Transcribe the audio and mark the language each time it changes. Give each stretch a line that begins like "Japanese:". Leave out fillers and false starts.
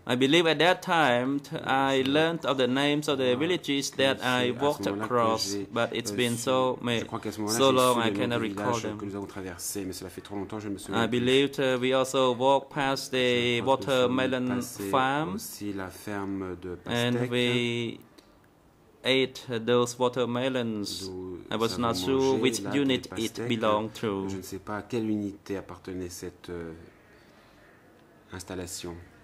English: I believe at that time I learned of the names of the villages that I walked across, but it's been so long I cannot recall them.
French: Que nous avons traversé, mais cela fait trop longtemps, je ne me souviens plus.
English: I believe we also walked past the watermelon farm,
French: aussi la ferme de pastèque,
English: and we ate those watermelons. I was not sure which unit it belonged to.
French: Je ne sais pas à quelle unité appartenait cette installation.